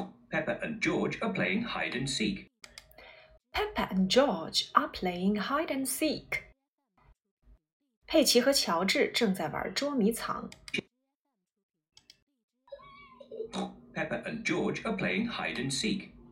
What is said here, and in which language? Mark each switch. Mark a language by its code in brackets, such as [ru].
[en] Peppa and George are playing hide and seek. Peppa and George are playing hide and seek. [zh] 佩奇和乔治正在玩捉迷藏 [en] Peppa and George are playing hide and seek.